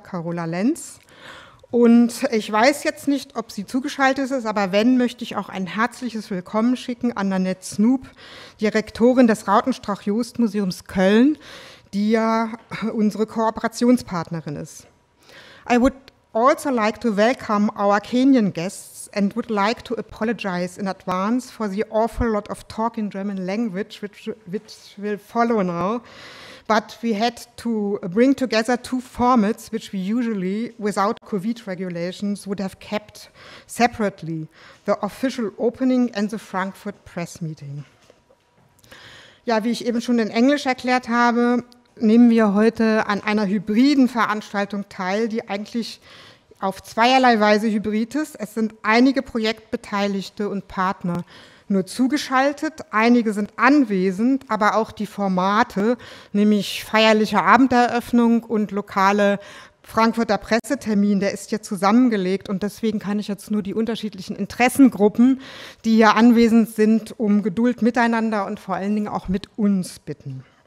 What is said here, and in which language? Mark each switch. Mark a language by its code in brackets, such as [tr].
[de] Carola Lenz. Und ich weiß jetzt nicht, ob sie zugeschaltet ist, aber wenn, möchte ich auch ein herzliches Willkommen schicken an Nanette Snoop, Direktorin des Rautenstrauch-Joost-Museums Köln, die ja unsere Kooperationspartnerin ist. [en] I would also like to welcome our Kenyan guests and would like to apologize in advance for the awful lot of talk in German language, which will follow now. But we had to bring together two formats, which we usually, without COVID regulations, would have kept separately, the official opening and the Frankfurt press meeting. [de] Ja, wie ich eben schon in Englisch erklärt habe, nehmen wir heute an einer hybriden Veranstaltung teil, die eigentlich auf zweierlei Weise hybrid ist. Es sind einige Projektbeteiligte und Partner nur zugeschaltet, einige sind anwesend, aber auch die Formate, nämlich feierliche Abenderöffnung und lokale Frankfurter Pressetermin, der ist ja zusammengelegt und deswegen kann ich jetzt nur die unterschiedlichen Interessengruppen, die hier anwesend sind, um Geduld miteinander und vor allen Dingen auch mit uns bitten.